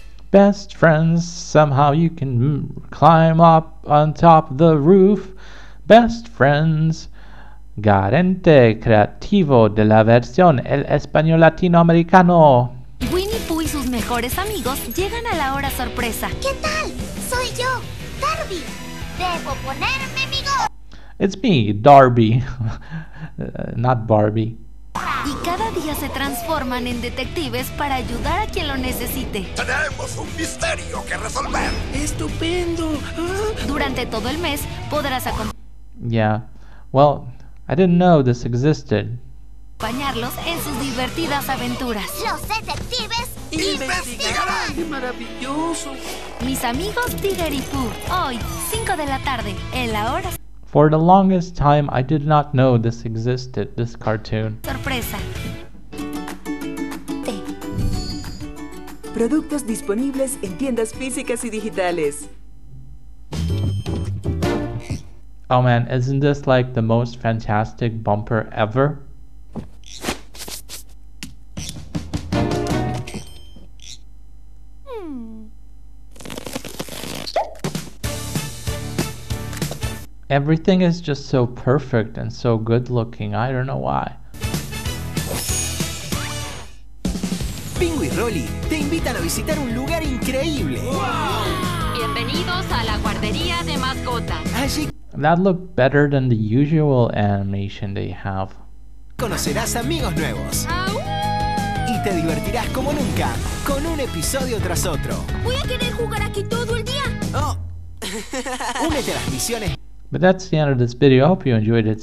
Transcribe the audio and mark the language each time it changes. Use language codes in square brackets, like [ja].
[en] Best friends, somehow you can climb up on top of the roof. Best friends, [es] garante creativo de la versión el español latinoamericano. Winnie Pooh y sus mejores amigos llegan a la hora sorpresa. ¿Qué tal? Soy yo, Darby. Debo ponerme mi gorro. [en] It's me, Darby. Not Barbie. [es] Y cada día se transforman en detectives para ayudar a quien lo necesite. ¡Tenemos un misterio que resolver! ¡Estupendo! Durante todo el mes podrás acompañar. [en] Yeah, well, I didn't know this existed. [es] Acompañarlos en sus divertidas aventuras. Los detectives investigarán. ¡Qué maravilloso! Mis amigos Tigger y Pooh, hoy, 5 de la tarde, en la hora. [en] For the longest time, I did not know this existed, this cartoon. [es] Sorpresa. Té. Productos disponibles en tiendas físicas y digitales. [en] Oh man, isn't this like the most fantastic bumper ever? Everything is just so perfect and so good looking, I don't know why. [es] Pingu y Rolly te invitan a visitar un lugar increíble. Wow. Bienvenidos a la guardería de mascotas. Allí. [en] That looked better than the usual animation they have. [es] Conocerás amigos nuevos. ¡Au! Y te divertirás como nunca, con un episodio tras otro. Voy a querer jugar aquí todo el día. Oh. Únete a las misiones. [en] But that's the end of this video. I hope you enjoyed it.